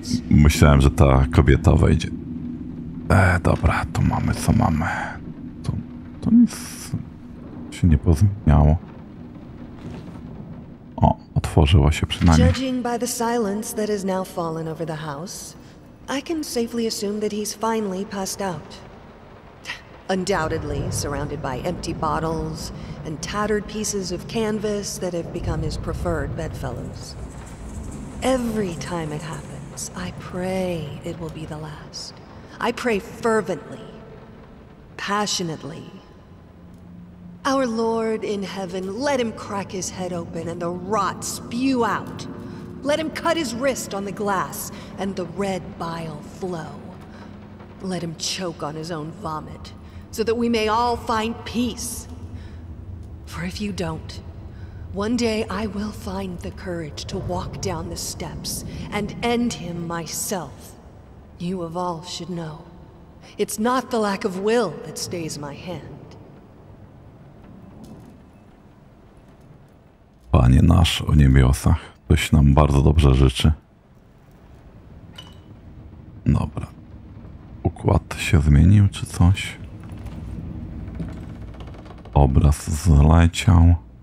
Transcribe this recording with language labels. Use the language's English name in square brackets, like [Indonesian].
[Polish] Myślałem, że ta kobieta wejdzie. Dobra, tu mamy co mamy. To nic się nie pozmieniało. O, otworzyła się przynajmniej. [English] Judging by the silence that has now fallen over the house, I can safely assume that he's finally passed out. Undoubtedly, surrounded by empty bottles and tattered pieces of canvas that have become his preferred bedfellows. Every time it happens, I pray it will be the last. I pray fervently, passionately. Our Lord in heaven, let him crack his head open and the rot spew out. Let him cut his wrist on the glass and the red bile flow. Let him choke on his own vomit, so that we may all find peace. For if you don't, one day I will find the courage to walk down the steps and end him myself. You of all should know, it's not the lack of will that stays my hand. [Polish] Panie nasz o niebiosach, toś nam bardzo dobrze życzy. Dobra. Układ się zmienił czy coś? Obraz zleciał.